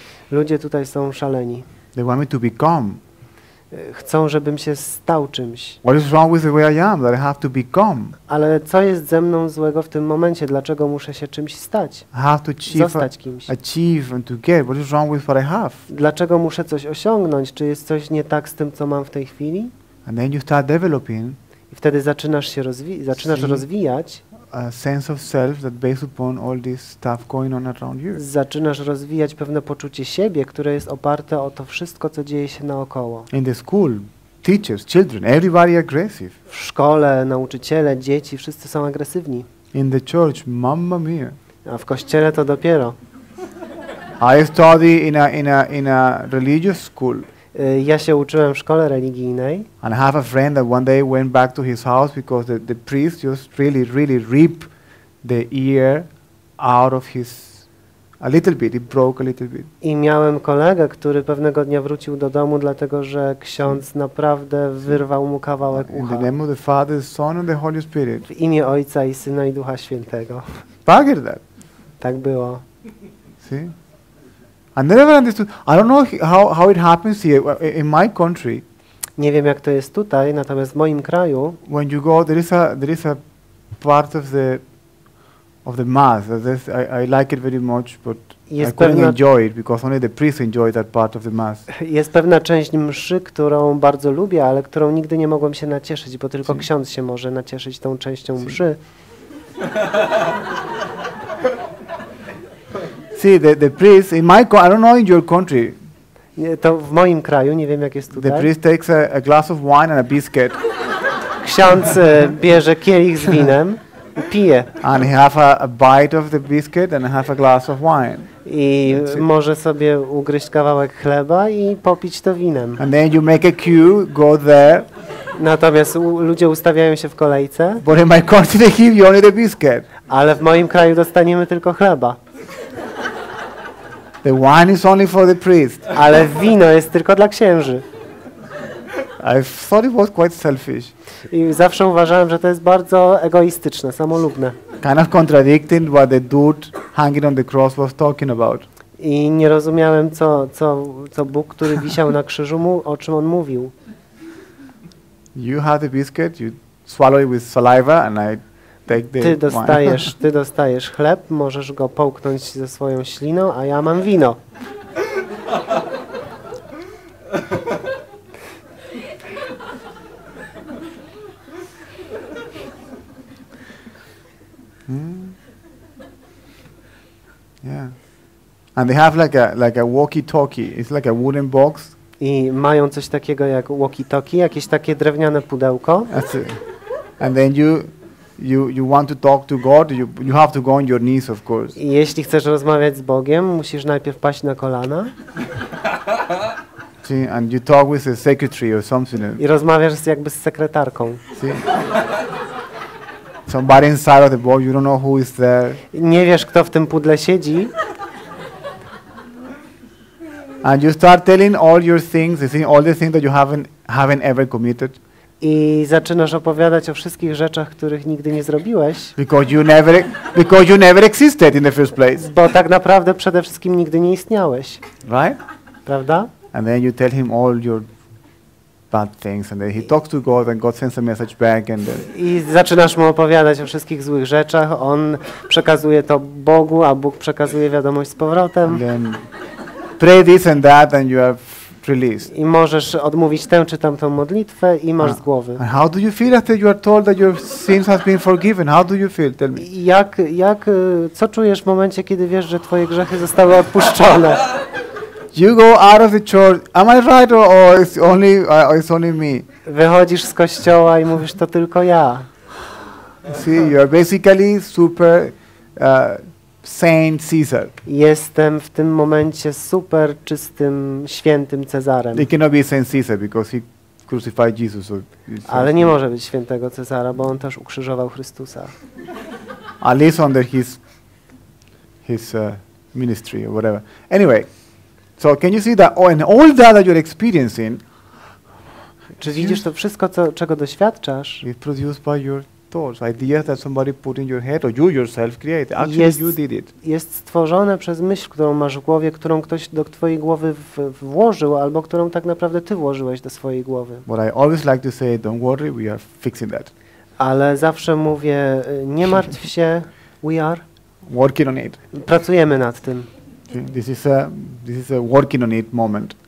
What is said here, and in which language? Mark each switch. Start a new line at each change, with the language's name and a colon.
Polish: Ludzie tutaj są szaleni.
English: They want me to become.
Polish: Chcą, żebym się stał czymś.
English: What is wrong with the way I am, that I have to become?
Polish: Ale co jest ze mną złego w tym momencie? Dlaczego muszę się czymś stać?
English: I have to achieve,
Polish: zostać kimś.
English: Achieve and to get. What is wrong with what I have?
Polish: Dlaczego muszę coś osiągnąć? Czy jest coś nie tak z tym, co mam w tej chwili?
English: And then you start developing.
Polish: I wtedy zaczynasz rozwijać.
English: A sense of self that based upon all this stuff going on around you.
Polish: Zaczynasz rozwijać pewne poczucie siebie, które jest oparte o to wszystko, co dzieje się naokoło.
English: In the school, teachers, children, everybody aggressive.
Polish: W szkole, nauczyciele, dzieci, wszyscy są agresywni.
English: In the church,
Italian: mamma mia.
Polish: A w kościele to dopiero.
English: I study in a religious school.
Polish: Ja się uczyłem w szkole religijnej.
English: And I have a friend that one day went back to his house because the priest just really, really ripped the ear out of his a little bit, it broke a little bit.
Polish: I miałem kolegę, który pewnego dnia wrócił do domu, dlatego że ksiądz naprawdę wyrwał mu kawałek ucha.
English: In the name of the Father, Son and the Holy Spirit.
Polish: W imię Ojca i Syna i Ducha Świętego.
English: Bugger that.
Polish: Tak było.
English: See? I never understood. I don't know how it happens here. In my country.
Polish: Nie wiem, jak to jest tutaj, natomiast w moim kraju.
English: When you go, there is a part of the mass. This, I like it very much, but
Polish: jest
English: I couldn't enjoy it because only the priests enjoy that part of the mass.
Polish: Jest pewna część mszy, którą bardzo lubię, ale którą nigdy nie mogłem się nacieszyć, bo tylko ksiądz się może nacieszyć tą częścią mszy.
English: See, the priest in my I don't know in your country.
Polish: To w moim kraju, nie wiem jak jest tutaj.
English: The priest takes a glass of wine and a biscuit.
Polish: Ksiądz bierze kielich z winem i pije.
English: And he have a bite of the biscuit and have a glass of wine.
Polish: I może sobie ugryźć kawałek chleba i popić to winem.
English: And then you make a queue, go there.
Polish: Natomiast ludzie ustawiają się w kolejce.
English: But in my country they give you only the biscuit.
Polish: Ale w moim kraju dostaniemy tylko chleba.
English: The wine is only for the priest.
Polish: Ale wino jest tylko dla księży.
English: I thought it was quite selfish.
Polish: I zawsze uważałem, że to jest bardzo egoistyczne, samolubne.
English: Kind of contradicting what the dude hanging on the cross was talking about.
Polish: I nie rozumiałem, co Bóg, który wisiał na krzyżu, mu o czym on mówił.
English: You have the biscuit, you swallow it with saliva, and I take the
Polish: Ty dostajesz chleb, możesz go połknąć ze swoją śliną, a ja mam wino.
English: Yeah. And they have like a walkie-talkie. It's like a wooden box.
Polish: I mają coś takiego jak walkie-talkie, jakieś takie drewniane pudełko.
English: That's it. And then you want to talk to God, you have to go on your knees, of course.
Polish: I jeśli chcesz rozmawiać z Bogiem, musisz najpierw paść na kolana.
English: See, and you talk with a secretary or something.
Polish: I rozmawiasz jakby z sekretarką.
English: See? Somebody inside of the ball, you don't know who is there.
Polish: Nie wiesz, kto w tym pudle siedzi.
English: And you start telling all your things, all the things that you haven't ever committed.
Polish: I zaczynasz opowiadać o wszystkich rzeczach, których nigdy nie zrobiłeś.
English: Because you never existed in the first place.
Polish: Bo tak naprawdę przede wszystkim nigdy nie istniałeś.
English: Right?
Polish: Prawda?
English: And then you tell him all your bad things, and then he talks to God, and God sends a message back, and then.
Polish: I zaczynasz mu opowiadać o wszystkich złych rzeczach. On przekazuje to Bogu, a Bóg przekazuje wiadomość z powrotem.
English: And then pray this and that, and you have released.
Polish: I możesz odmówić tę czy tamtą modlitwę i masz z głowy.
English: And how do you feel after you are told that your sins have been forgiven? How do you feel? Tell me.
Polish: Jak co czujesz w momencie, kiedy wiesz, że twoje grzechy zostały odpuszczone?
English: You go out of the church. Am I right or it's only me?
Polish: Wychodzisz z kościoła i mówisz to tylko ja.
English: See, you are basically super Saint Caesar.
Polish: Jestem w tym momencie super czystym świętym Cezarem.
English: He cannot be Saint Caesar because he crucified Jesus. So
Polish: ale nie może być świętego Cezara, bo on też ukrzyżował Chrystusa.
English: At least under his ministry or whatever. Anyway. So can you see that and all that you're experiencing?
Polish: Czy widzisz to wszystko, czego doświadczasz?
English: It's produced by your thoughts, ideas that somebody put in your head, or you yourself created. Actually, you did it.
Polish: Jest stworzone przez myśl, którą masz w głowie, którą ktoś do twojej głowy włożył, albo którą tak naprawdę ty włożyłeś do swojej głowy.
English: But I always like to say, don't worry, we are fixing that.
Polish: Ale zawsze mówię, nie martw się,
English: we are working on it.
Polish: Pracujemy nad tym.
English: This is a working on it moment.